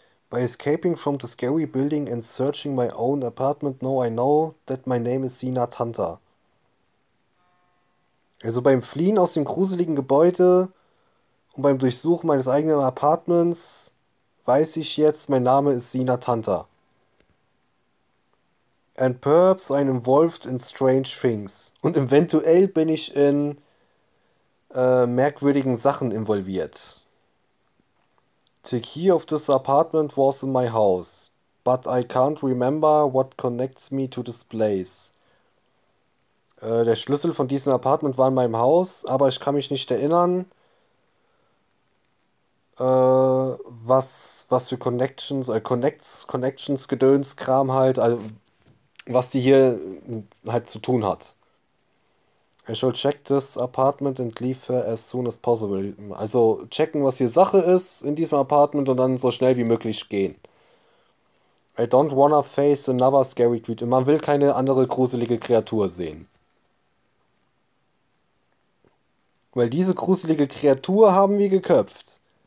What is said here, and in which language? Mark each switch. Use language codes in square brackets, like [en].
[en] By escaping from the scary building and searching my own apartment, now I know that my name is Sina Tanta. [de] Also beim Fliehen aus dem gruseligen Gebäude und beim Durchsuchen meines eigenen Apartments weiß ich jetzt, mein Name ist Sina Tanta. [en] And perhaps I'm involved in strange things. [de] Und eventuell bin ich in merkwürdigen Sachen involviert. [en] The key of this apartment was in my house, but I can't remember what connects me to this place. [de] Der Schlüssel von diesem Apartment war in meinem Haus, aber ich kann mich nicht erinnern, was für Connections, Gedöns, Kram halt, also, was die hier halt zu tun hat. [en] I shall check this apartment and leave her as soon as possible. [de] Also checken, was hier Sache ist in diesem Apartment und dann so schnell wie möglich gehen. [en] I don't wanna face another scary creature. [de] Man will keine andere gruselige Kreatur sehen. Weil diese gruselige Kreatur haben wir geköpft.